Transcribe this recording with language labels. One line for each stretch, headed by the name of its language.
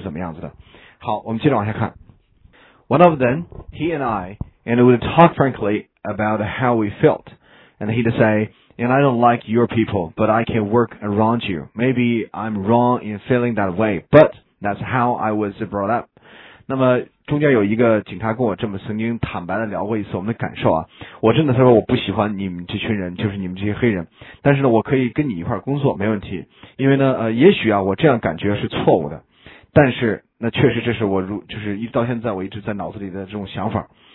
Chinese: 所以我们说在翻译的时候呢，字对字的翻译倒是很麻烦，你最好是意思对意思的翻译，这样是比较容易去让对方理解你在说什么。所以你要想做一个好翻译的话，对两种文化都要有了解。我们是通过这个课程向大家展示美国人的思维，展示他文化的底蕴，文化的支撑文化的一种价值观念，一种道德观念。这样的话，对你在交流的时候用什么词去翻译，用什么词去表达自己，你会呢有所选择，你会知道自己出发点是怎么样子的。好，我们接着往下看。
English: One of them, he and I, and we would talk frankly about how we felt. And he'd say, and I don't like your people, but I can work around you. Maybe I'm wrong in feeling that way, but that's how I was brought up.
Chinese: 中间有一个警察跟我这么曾经坦白的聊过一次我们的感受啊，我真的说我不喜欢你们这群人，就是你们这些黑人，但是呢我可以跟你一块工作没问题，因为呢也许啊我这样感觉是错误的，但是那确实这是我就是一直到现在我一直在脑子里的这种想法。